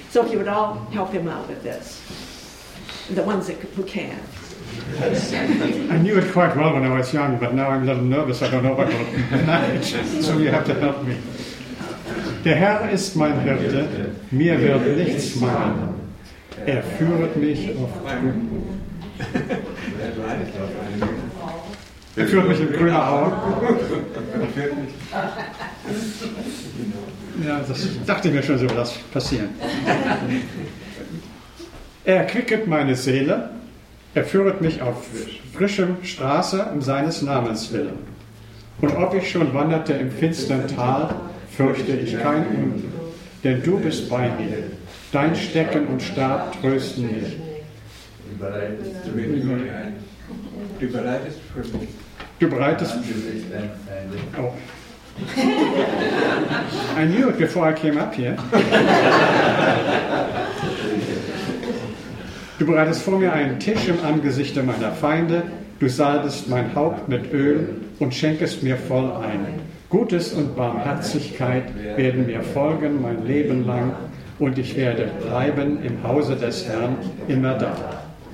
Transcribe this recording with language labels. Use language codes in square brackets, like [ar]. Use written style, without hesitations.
[en] So if you would all help him out with this. The ones that who can. I knew it quite well when I was young, but now I'm a little nervous. I don't know what I'm going to manage. So you have to help me. [de] Der Herr ist mein Hirte, mir wird nichts mangeln. Führet mich auf Grün. Führt mich in grüner Auer. Ja, das dachte ich mir schon, so was passieren. Erquicket meine Seele, führet mich auf frischem Straße um seines Namens willen. Und ob ich schon wanderte im finstern Tal, fürchte ich kein Unglück, denn du bist bei mir. Dein Stecken und Stab trösten mich. [en] I knew it before I came up here. [de] Du bereitest vor mir einen Tisch im Angesichte meiner Feinde, du salbest mein Haupt mit Öl und schenkest mir voll ein. Gutes und Barmherzigkeit werden mir folgen mein Leben lang, und ich werde bleiben im Hause des Herrn immer da.